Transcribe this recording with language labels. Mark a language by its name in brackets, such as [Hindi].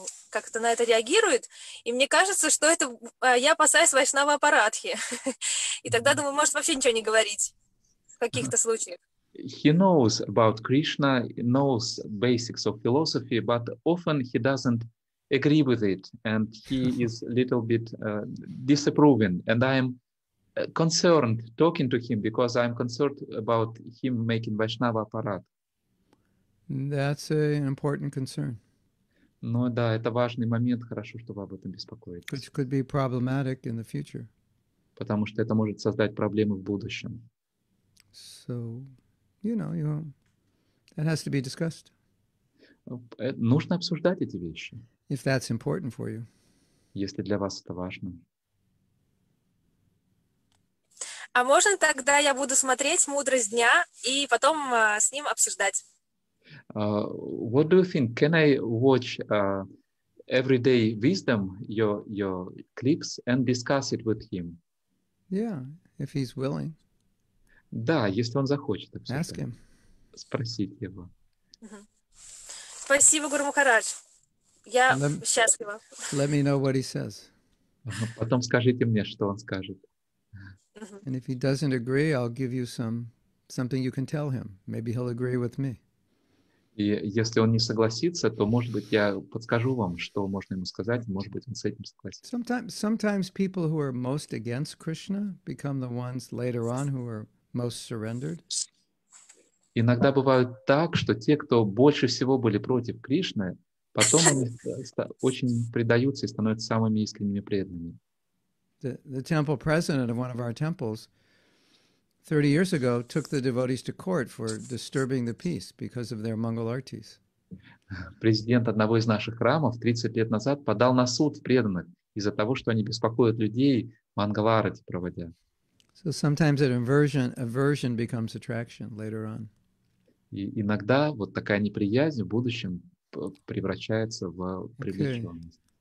[Russian] как-то на это реагирует. И мне кажется, что это я опасаюсь вайшнава апарадхи. И тогда думаю, может вообще ничего не говорить в каких-то случаях. [English] He knows about Krishna, knows basics of philosophy, but often he doesn't agree with it, and he is a little bit disapproving. And I am concerned talking to him because I'm concerned about him making Vaishnava aparat. That's an important concern. [Russian] Ну да, это важный момент. Хорошо, что вы об этом беспокоитесь. [English] Which could be problematic in the future. [Russian] Потому что это может создать проблемы в будущем. [English] So, you know, it has to be discussed. [Russian] Нужно обсуждать эти вещи. [English] If that's important for you. [Russian] Если для вас это важно. А можно тогда я буду смотреть «Мудрость дня» и потом с ним обсуждать? [English] What do you think? Can I watch Everyday Wisdom, your clips, and discuss it with him? Yeah, if he's willing. [Russian] Да, если он захочет. [English] Ask him. [Russian] Спросить его. Uh-huh. Спасибо, Гуру Махарадж. Я счастлива. [English] Let me know what he says. [Russian] Потом скажите мне, что он скажет. [English] And if he doesn't agree, I'll give you something you can tell him. Maybe he'll agree with me. [Russian] И если он не согласится, то, может быть, я подскажу вам, что можно ему сказать, может быть, он с этим согласится. [English] Sometimes people who are most against Krishna become the ones later on who are most surrendered. [Russian] Иногда бывает так, что те, кто больше всего были против Кришны, потом они очень предаются и становятся самыми искренними преданными. [English] The temple president of one of our temples 30 years ago took the devotees to court for disturbing the peace because of their mangal artis. [Russian] Президент одного из наших храмов 30 лет назад подал на суд преданных из-за того, что они беспокоят людей мангаларати проводя. [English] So sometimes an aversion becomes attraction later on. [Russian] И иногда вот такая неприязнь в будущем превращается в привлеченность.